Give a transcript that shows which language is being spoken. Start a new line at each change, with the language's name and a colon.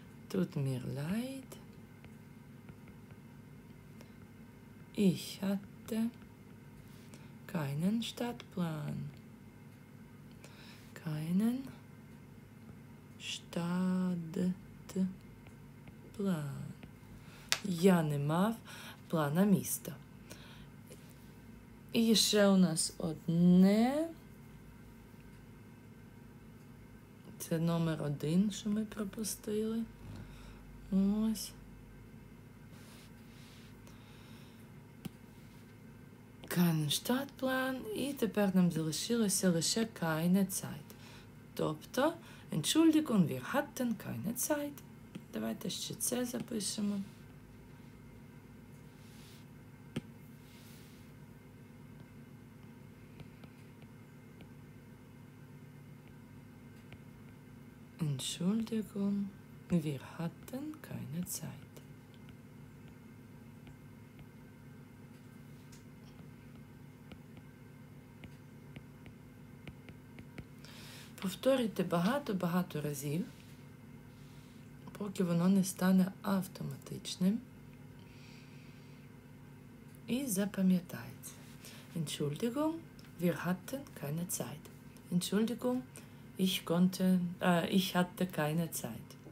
German: Tut mir leid. Ich hatte keinen Stadtplan. Keinen Stadtplan.
Ukrainian: Я не мав плана міста. І ще у нас одне. Це номер один, що ми пропустили. Ось.
German: Keinen Stadtplan.
Ukrainian: І тепер нам залишилося лише
German: keine Zeit. Тобто, Entschuldigung, wir hatten keine Zeit.
Ukrainian: Давайте ще це запишемо.
German: Entschuldigung, wir hatten keine Zeit.
Ukrainian: Повторюйте багато-багато разів, поки воно не стане автоматичним і запам'ятається.
German: Entschuldigung, wir hatten keine Zeit. Entschuldigung, ich hatte keine Zeit.